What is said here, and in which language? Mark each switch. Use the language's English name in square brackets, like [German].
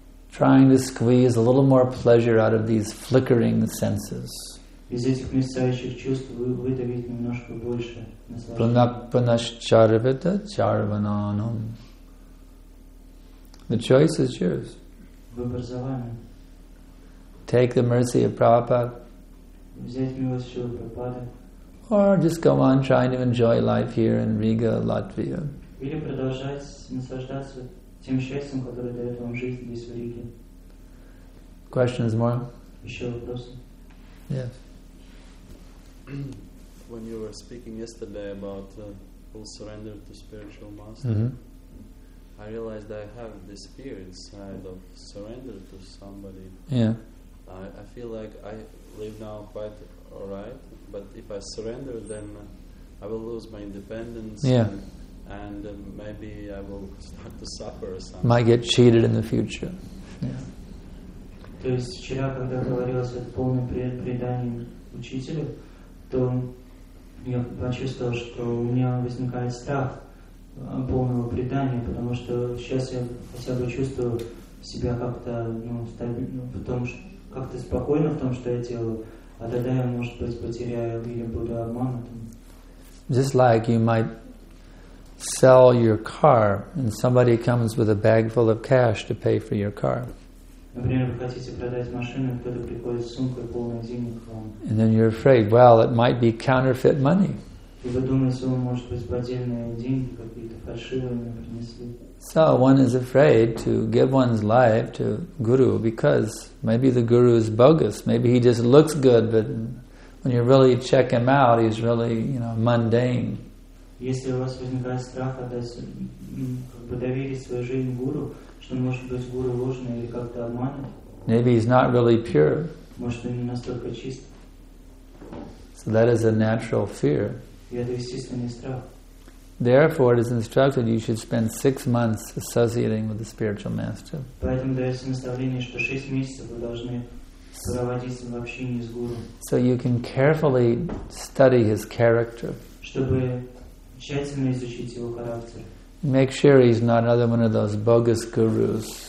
[English] Trying to squeeze a little more pleasure out of these flickering senses. [Russian] Из этих мерцающих чувств выдавить немножко больше наслаждения. [English] The choice is yours. [Russian] Выбор за вами. [English] Take the mercy of Prabhupada. [Russian] Взять милость Шрилы Прабхупады. [English] Or just go on trying to enjoy life here in Riga, Latvia. [Russian] Или продолжать наслаждаться тем счастьем, которое дает вам жизнь здесь в Риге. [English] Questions more? [Russian] Еще вопросы? [English] Yes. When you were speaking yesterday about full surrender to spiritual master, I realized I have this fear inside of surrender to somebody. Yeah. I feel like I live now quite alright, but if I surrender, then I will lose my independence. Yeah. And maybe I will start to suffer or something. Might get cheated in the future. Yeah. [Russian] То я почувствовал, что у меня возникает страх полного предания, потому что сейчас я хотя бы чувствую себя как-то, ну, стабильно, потому что как-то спокойно в том, что я делаю, а тогда я, может быть, потеряю или буду обманутым. [English] Just like you might sell your car and somebody comes with a bag full of cash to pay for your car. [Russian] Например, вы хотите продать машину, кто-то приходит с сумкой полной денег вам. [English] And then you're afraid, well, it might be counterfeit money. [Russian] И вы думаете, он, может быть, поддельные деньги какие-то фальшивые мне принесли. [English] So one is afraid to give one's life to guru because maybe the guru is bogus. Maybe he just looks good, but when you really check him out, he's really, you know, mundane. [Russian] Если у вас возникает страх отдать, как бы доверить свою жизнь гуру, что, может быть, гуру ложный или как-то обманет. [English] Maybe he's not really pure. [Russian] Может, он не настолько чист. [English] So that is a natural fear. [Russian] И это естественный страх. [English] Therefore, it is instructed you should spend 6 months associating with the spiritual master. [Russian] Поэтому дается наставление, что 6 месяцев вы должны проводить в общении с гуру. [English] So you can carefully study his character. [Russian] Чтобы тщательно изучить его характер. [English] Make sure he's not another one of those bogus gurus.